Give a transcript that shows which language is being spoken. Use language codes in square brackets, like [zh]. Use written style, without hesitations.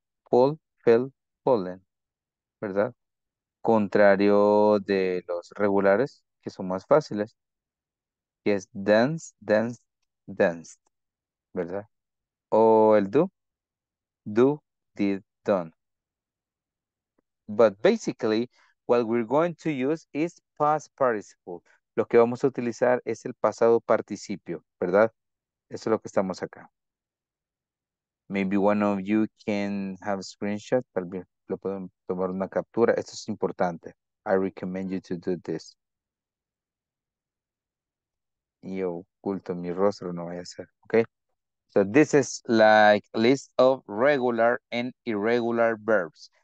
[es] Fall, fell, fallen, ¿verdad? Contrario de los regulares, que son más fáciles, que es dance, dance, danced, ¿verdad? O el do, do, did, done. [en] But basically, what we're going to use is past participle. [es] Lo que vamos a utilizar es el pasado participio, ¿verdad? Eso es lo que estamos acá. [en] Maybe one of you can have a screenshot. [es] Tal vez lo pueden tomar una captura. Esto es importante. [en] I recommend you to do this. [es] Y oculto mi rostro, no vaya a ser. Okay. [en] So this is like a list of regular and irregular verbs.